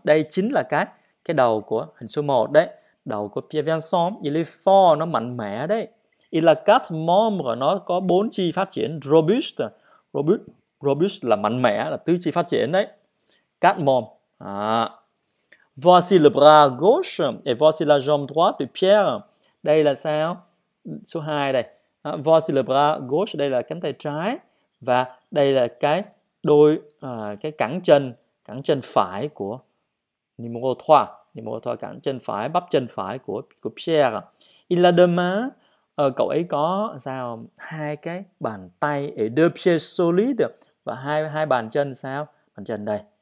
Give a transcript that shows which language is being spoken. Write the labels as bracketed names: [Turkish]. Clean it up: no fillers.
[Vietnamese] Đây chính là cái đầu của hình số 1 đấy. Đầu của Pierre Vincent. [French] Il est fort. [Vietnamese] Nó mạnh mẽ đấy. [French] Il a quatre membres. [Vietnamese] Nó có 4 chi phát triển. Robuste. Robuste là mạnh mẽ, là tứ chi phát triển đấy. [French] Quatre membres. À. Voici le bras gauche et voici la jambe droite de Pierre. [Vietnamese] Đây là sao? Số 2 đây. [French] À, voici le bras gauche, [Vietnamese] đây là cánh tay trái và đây là cái cẳng chân phải của numéro 3, cẳng chân phải, bắp chân phải của Pierre. [French] Il a deux mains, [Vietnamese] cậu ấy có sao? Hai cái bàn tay [French] et deux pieds solides [Vietnamese] và hai bàn chân sao? Bàn chân đây.